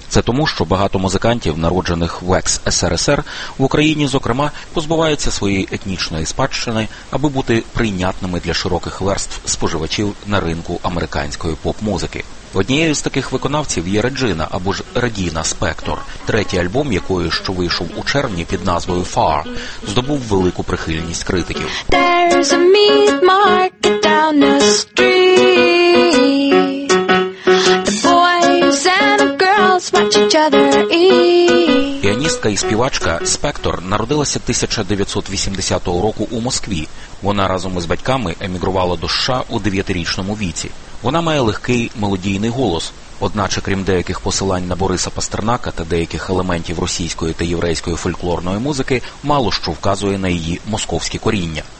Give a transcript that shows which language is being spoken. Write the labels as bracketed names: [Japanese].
[Ukrainian] Це тому, що багато музикантів, народжених в екс-СРСР, в Україні, зокрема, позбуваються своєї етнічної спадщини, аби бути прийнятними для широких верств споживачів на ринку американської поп-музики. Однією з таких виконавців є Реджина, або ж Редіна Спектор. Третій альбом якої, що вийшов у червні під назвою «Far», здобув велику прихильність критиків. [English] There's a meat market down the street. The boys and the girls watch each other eat. [Ukrainian] Піаністка і співачка Спектор народилася 1980 року у Москві. Вона разом із батьками емігрувала до США у 9-річному віці. Вона має легкий мелодійний голос, одначе, крім деяких посилань на Бориса Пастернака та деяких елементів російської та єврейської фольклорної музики, мало що вказує на її московські коріння.